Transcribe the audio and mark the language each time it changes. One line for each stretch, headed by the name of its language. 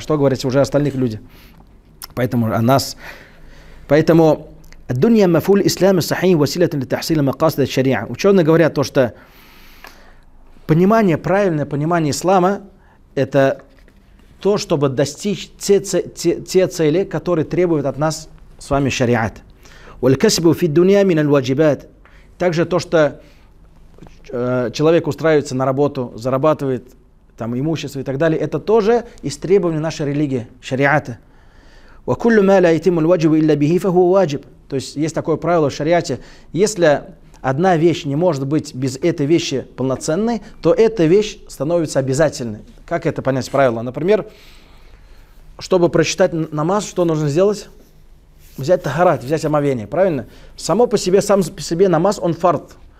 Russian: Что говорить уже остальных людей? Поэтому о нас. Поэтому ад-дунья мафуль ислам сахих василатан ли тахсил макасид аш-шариа. Учёные говорят то, что понимание, правильное понимание ислама — это то, чтобы достичь те цели, которые требуют от нас с вами шариат.
Arabic: والكسب في الدنيا من الواجبات.
Russian: Также то, что человек устраивается на работу, зарабатывает там имущество и так далее, это тоже из требований нашей религии, шариата.
Arabic: وكل ما لا يتم الواجب الا به فهو واجب.
Russian: То есть есть такое правило в шариате: если одна вещь не может быть без этой вещи полноценной, то эта вещь становится обязательной. Как это понять правило? Например, чтобы прочитать намаз, что нужно сделать? Взять тахарат, взять омовение, правильно? Само по себе, сам по себе намаз, он фард.